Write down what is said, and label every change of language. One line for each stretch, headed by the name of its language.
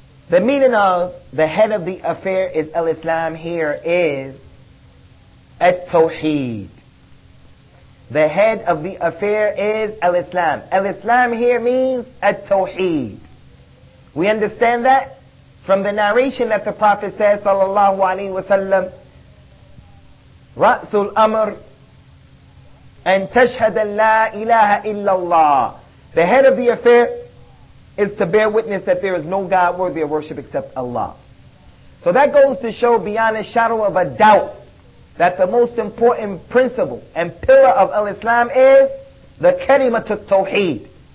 English: The meaning of the head of the affair is al-Islam here is at-Tawheed. The head of the affair is al-Islam. Al-Islam here means at-Tawheed. We understand that from the narration that the Prophet says, sallallahu alayhi wa sallam,
Arabic: رأس الأمر أن تشهد لا إله إلا الله.
English: The head of the affair is to bear witness that there is no God worthy of worship except Allah. So that goes to show beyond a shadow of a doubt that the most important principle and pillar of Al-Islam is the kalimat al-tawheed.